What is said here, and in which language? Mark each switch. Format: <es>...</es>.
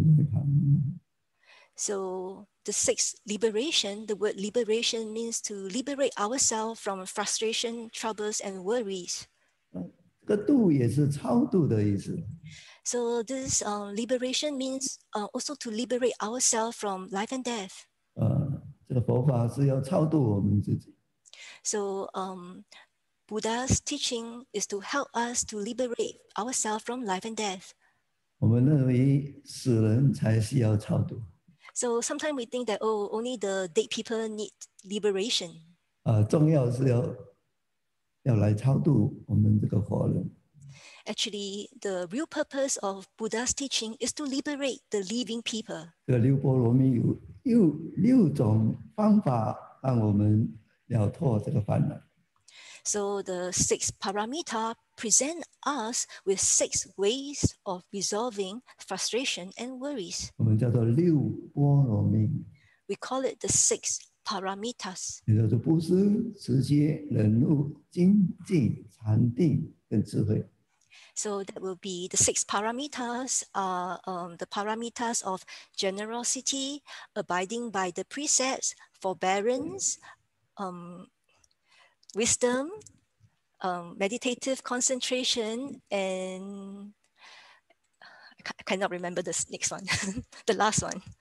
<zh>所谓六度就是度过这个烦恼和超越这个烦恼，得到解脱的涅槃。</zh> <en>So the six liberation, the word liberation means to liberate ourselves from frustration, troubles, and worries.</en> <zh>这个度也是超度的意思。</zh> <en>So this liberation means also to liberate ourselves from life and death.</en> <zh>这个佛法是要超度我们自己。</zh> <en>So Buddha's teaching is to help us to liberate ourselves from life and death.</en> <zh>我们认为死人才需要超度。</zh> <en>So sometimes we think that only the dead people need liberation.</en> <zh>重要是要来超度我们这个活人。</zh> <en>actually the real purpose of Buddha's teaching is to liberate the living people.</en> <zh>这六波罗蜜有六种方法让我们了脱这个烦恼。</zh> <en>So the six paramita present us with six ways of resolving frustration and worries.</en> <zh>我们叫做六波罗蜜。</zh> <en>We call it the six paramitas.</en> <zh>也就是布施、持戒、忍辱、精进、禅定跟智慧。</zh> <en>So that will be the six paramitas are the paramitas of generosity, abiding by the precepts, forbearance, wisdom, meditative concentration, and I cannot remember the next one, the last one.</en>